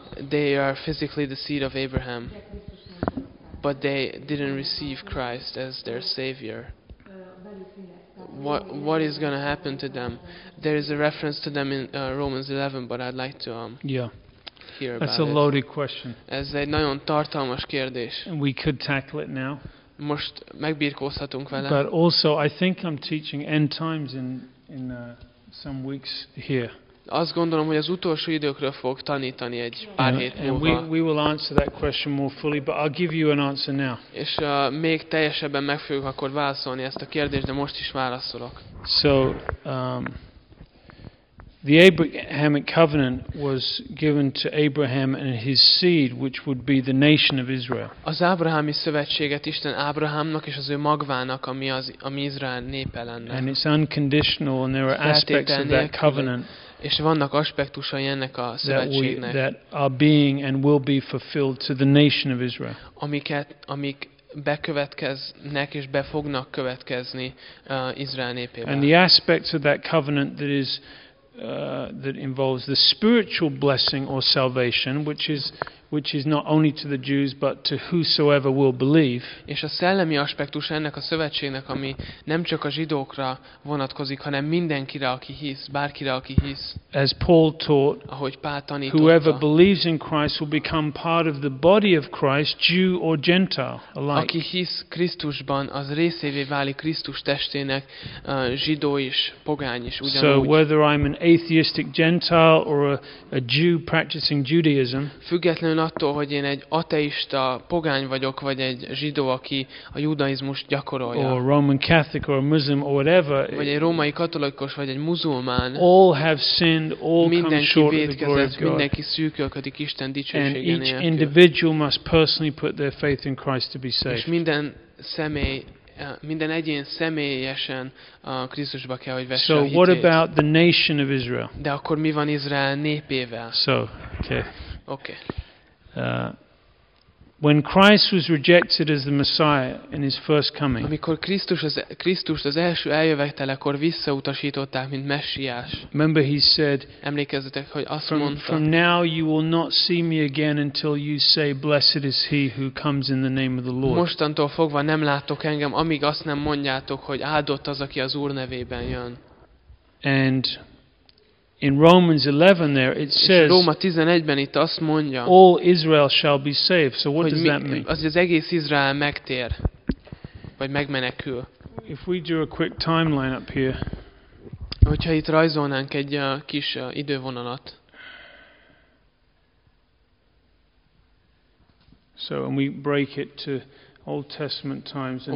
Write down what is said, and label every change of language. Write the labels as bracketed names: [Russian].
[English] They are physically the seed of Abraham, but they didn't receive Christ as their savior. What is going to happen to them? There is a reference to them in Romans 11, but I'd like to hear about it. That's a loaded question. [Hungarian] Ez egy nagyon tartalmas kérdés. [English] And we could tackle it now. [Hungarian] Most megbírkózhatunk vele. [English] But also, I think I'm teaching end times in some weeks here. [Hungarian] Azt gondolom, hogy az utolsó időkről fog tanítani egy pár hét múlva. [English] And we will answer that question more fully, but I'll give you an answer now. [Hungarian] És még teljesebben meg fogjuk akkor válaszolni ezt a kérdést, de most is válaszolok. [English] So the Abrahamic covenant was given to Abraham and his seed, which would be the nation of Israel. [Hungarian] Az ábrahámi szövetséget Isten Ábrahámnak és az ő magvának, ami Izrael népe lenne. [English] And it's unconditional, and there are aspects of that covenant. [Hungarian] És vannak aspektusai ennek a szövetségnek. [English] That are being and will be fulfilled to the nation of Israel. [Hungarian] Amik bekövetkeznek és be fognak következni Izrael népében. [English] And the aspects of that covenant that is that involves the spiritual blessing or salvation, which is not only to the Jews but to whosoever will believe. [Hungarian] És a szellemi aspektus ennek a szövetségnek, ami nem csak a zsidókra vonatkozik, hanem mindenkire, aki hisz, bárkire, aki hisz. [English] As Paul taught, [Hungarian] ahogy Pál tanította, [English] whoever believes in Christ will become part of the body of Christ, Jew or Gentile alike. [Hungarian] Aki hisz Krisztusban, az részévé válik Krisztus testének, zsidó is, pogány is, ugyanúgy. [English] So whether I'm an atheistic Gentile or a Jew practicing Judaism, [Hungarian] függetlenül attól, hogy én egy ateista pogány vagyok, vagy egy zsidó, aki a judaizmus gyakorolja, [English] or Roman Catholic or a Muslim or whatever, [Hungarian] vagy egy római katolikus, vagy egy muzulmán, [English] all have sinned, all come short of the glory of God. [Hungarian] Mindenki szűkölködik Isten dicsősége nélkül. [English] And each individual must personally put their faith in Christ to be saved. [Hungarian] És minden személy, minden egyén személyesen Krisztusba kell, hogy vesse a hitét. [English] So what about the nation of Israel? [Hungarian] De akkor mi van Izrael népével? [English] So, okay. Okay. When Christ was rejected as the Messiah in his first coming. [Hungarian] Amikor Krisztust az első eljövetelekor visszautasították, mint Messiás. [English] Remember he said, [Hungarian] emlékezzetek, hogy azt mondta, [English] from now you will not see me again until you say, blessed is he who comes in the name of the Lord. [Hungarian] Mostantól fogva nem látok engem, amíg azt nem mondjátok, hogy áldott az, aki az Úr nevében jön. [English] And in Romans 11 there it says, [Hungarian] Róma 11-ben itt azt mondja, [English] all Israel shall be saved. So what does that mean? [Hungarian] Az egész Izrael megtér, vagy megmenekül. [English] If we do a quick timeline up here. [Hungarian] Hogyha itt rajzolnánk egy kis idővonalat. [English] So and we break it to Old Testament times and